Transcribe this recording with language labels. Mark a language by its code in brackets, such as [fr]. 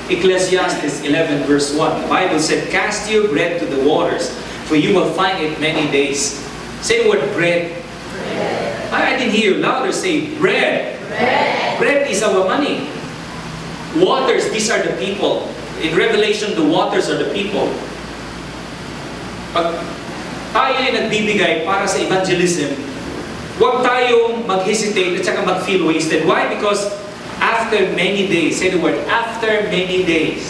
[en] Ecclesiastes 11 verse 1. The Bible said, cast your bread to the waters, for you will find it many days. Say the word bread. Bread. I didn't hear you louder say bread. Bread. Bread is our money. Waters, these are the people. In Revelation, the waters are the people. [tl] Pag, tayo ay nagbibigay para sa evangelism, huwag tayong mag-hesitate at saka mag- [en] feel wasted. Why? Because after many days, say the word, after many days,